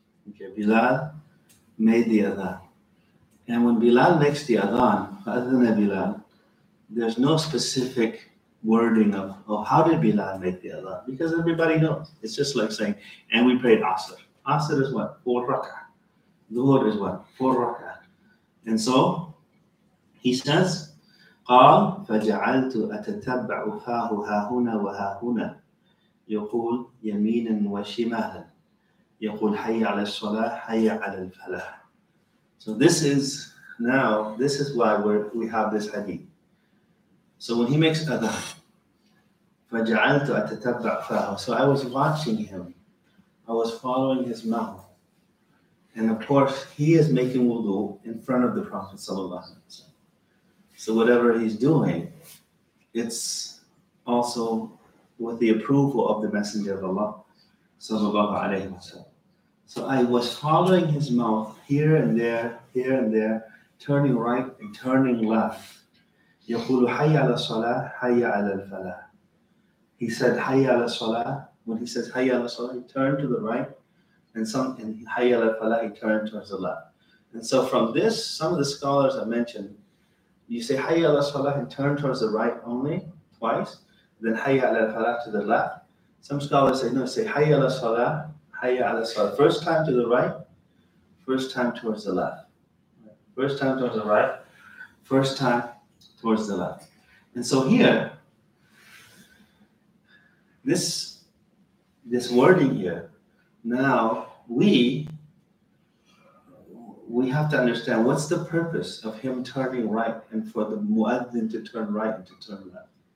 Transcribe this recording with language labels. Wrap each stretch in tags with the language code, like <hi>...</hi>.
<en>Okay, Bilal made the adhan. And when Bilal makes the adhan,</en> <ar>فَأَذَّنَ بِلَالٍ,</ar> <en>there's no specific wording of, oh, how did Bilal make the adhan? Because everybody knows. It's just like saying, and we prayed Asr. Asr is what? 4 rak'ah. Dhuhr is what? 4 rak'ah. And so, he says,</en> <ar>قَالْ فَجَعَلْتُ أَتَتَبَّعُ فَاهُ هَاهُنَا وَهَاهُنَا يَقُولْ يَمِينًا وَشِمَالًا يَقُولْ حَيَّ عَلَى الصَّلَاةِ حَيَّ عَلَى الْفَلَاحِ.</ar> <en>So this is, now, this is why we have this hadith. So when he makes adhan,</en> <ar>فَجَعَلْتُ أَتَتَبَّعْ فَاهُ,</ar> <en>so I was watching him, I was following his mouth. And of course, he is making wudu in front of the Prophet sallallahu alaihi wasallam. So whatever he's doing, it's also with the approval of the Messenger of Allah sallallahu alaihi wasallam. So I was following his mouth here and there, turning right and turning left.</en> <ar>يَقُولُ حَيَّ عَلَى الصَّلَاةِ حَيَّ عَلَى الْفَلَاحِ.</ar> <en>He said,</en> <ar>حَيَّ عَلَى الصَّلَاةِ.</ar> <en>When he says,</en> <ar>حَيَّ عَلَى الصَّلَاةِ,</ar> <en>he turned to the right. And</en> <ar>حَيَّ عَلَى الْفَلَاحِ,</ar> <en>he turned towards the left. And so from this, some of the scholars have mentioned, you say,</en> <ar>حَيَّ عَلَى الصَّلَاةِ,</ar> <en>and turn towards the right only, twice. Then</en> <ar>حَيَّ عَلَى الْفَلَاحِ,</ar> <en>to the left. Some scholars say, no, say,</en> <ar>حَيَّ عَلَى الصَّلَاةِ, حَيَّ عَلَى الصَّلَاةِ.</ar> <en>First time to the right, first time towards the left. First time towards the right, first time towards the left. And so here, this wording here, now we have to understand what's the purpose of him turning right and for the muadzin to turn right and to turn left.</en>